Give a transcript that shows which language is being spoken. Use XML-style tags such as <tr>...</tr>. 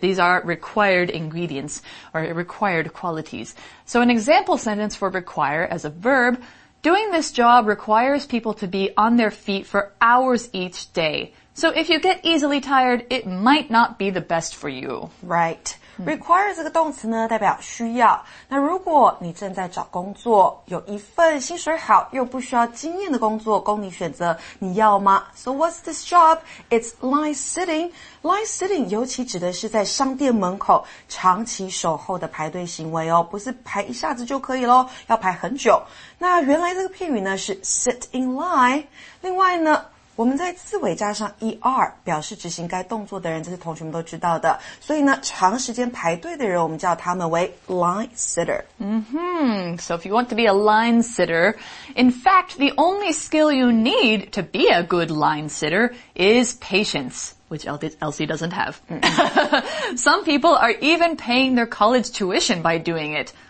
<en>These are required ingredients or required qualities. So an example sentence for require as a verb, doing this job requires people to be on their feet for hours each day. So if you get easily tired, it might not be the best for you.</en> <zh>Right. Require 这个动词呢代表需要。那如果你正在找工作，有一份薪水好又不需要经验的工作供你选择，你要吗？</zh> <en>So what's this job? It's line sitting.</en> <zh>Line sitting 尤其指的是在商店门口长期守候的排队行为哦，不是排一下子就可以咯，要排很久。那原来这个片语呢是 sit in line。另外呢我们在字尾加上 ER 表示执行该动作的人，这些同学们都知道的。所以呢，长时间排队的人，我们叫他们为 line sitter.</zh> <en>So if you want to be a line sitter, in fact, the only skill you need to be a good line sitter is patience, which Elsie doesn't have. Some people are even paying their college tuition by doing it.</en>